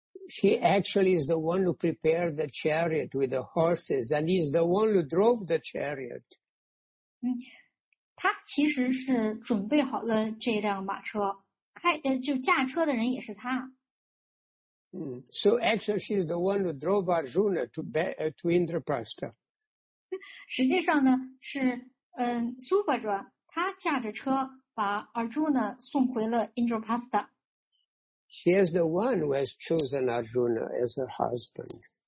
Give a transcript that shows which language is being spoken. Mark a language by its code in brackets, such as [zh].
[en] She actually is the one who prepared the chariot with the horses, and he's the one who drove the chariot. [zh] 他其实是准备好了这辆马车，开就驾车的人也是他。 [en] So actually, she's the one who drove Arjuna to Indraprastha. [zh] 实际上呢，是Subhadra 他驾着车把 Arjuna 送回了 Indraprastha。 [en] She is the one who has chosen Arjuna as her husband.